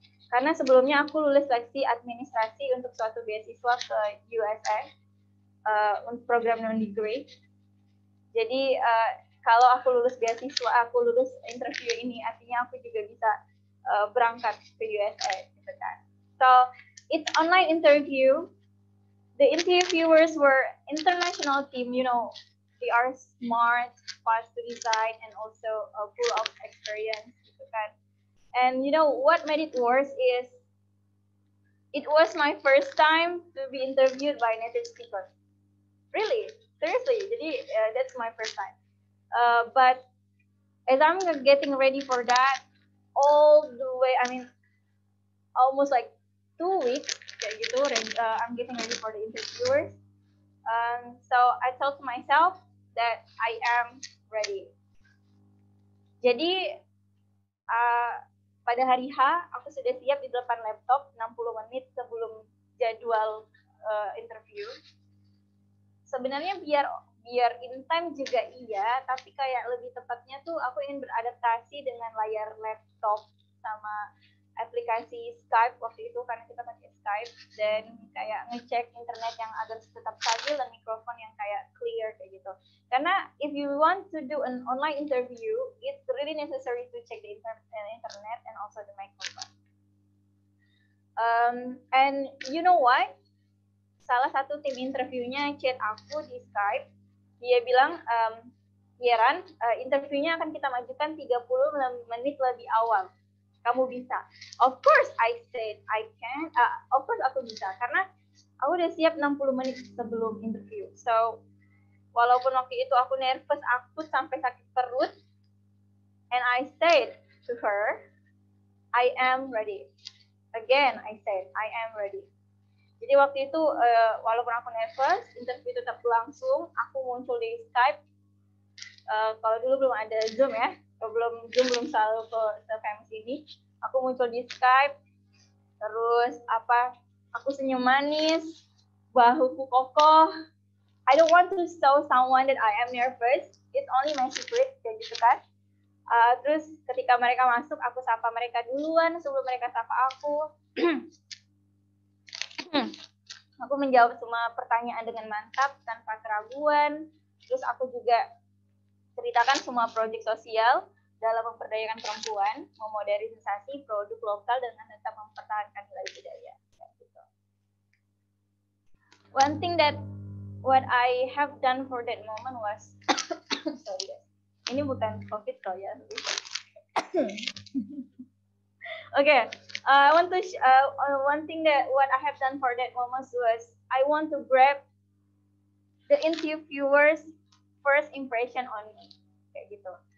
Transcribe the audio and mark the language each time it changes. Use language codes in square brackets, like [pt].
[id] Karena sebelumnya aku lulus seleksi administrasi untuk suatu beasiswa ke USF, untuk program non-degree. Jadi kalau aku lulus beasiswa, aku lulus interview ini, artinya aku juga bisa berangkat ke USA, gitu kan. [en] So, it's online interview. The interviewers were international team, you know, they are smart, fast to decide, and also full of experience, [id] gitu kan. [en] And you know, what made it worse is, it was my first time to be interviewed by native speaker. Really, seriously, [id] jadi [en] that's my first time. But as I'm getting ready for that, all the way, I mean, almost like 2 weeks, [id] kayak gitu, [en] I'm getting ready for the interviewers. So I told myself that I am ready. [id] Jadi, pada hari H, aku sudah siap di depan laptop 60 menit sebelum jadwal interview. Sebenarnya biar in time juga iya, tapi kayak lebih tepatnya tuh aku ingin beradaptasi dengan layar laptop sama aplikasi Skype waktu itu karena kita pakai Skype dan kayak ngecek internet yang agar tetap stabil dan mikrofon yang kayak clear kayak gitu. Karena [en] if you want to do an online interview, it's really necessary to check the internet and also the microphone. And you know why? [id] Salah satu tim interviewnya chat aku di Skype. Dia bilang, Yaren, interviewnya akan kita majukan 30 menit lebih awal. Kamu bisa. [en] Of course, I said I can. Of course, [id] aku bisa. Karena aku udah siap 60 menit sebelum interview. So, walaupun waktu itu aku nervous, aku sampai sakit perut. [en] And I said to her, I am ready. Again, I said, I am ready. [id] Jadi waktu itu, walaupun aku nervous, interview tetap langsung, aku muncul di Skype. Kalau dulu belum ada Zoom ya, belum selalu ke FMC ini. Aku muncul di Skype, terus apa? Aku senyum manis, bahuku kokoh. [en] I don't want to show someone that I am nervous. It's only my secret, [id] kayak gitu kan. Terus ketika mereka masuk, aku sapa mereka duluan sebelum mereka sapa aku. Aku menjawab semua pertanyaan dengan mantap tanpa keraguan. Terus aku juga ceritakan semua proyek sosial dalam memperdayakan perempuan, memodernisasi produk lokal dengan tetap mempertahankan nilai budaya. [en] One thing that what I have done for that moment was sorry, [id] ini bukan COVID kok ya. [en] Okay, I want to one thing that what I have done for that moment was I want to grab the interviewer's first impression on me, [id] kayak gitu.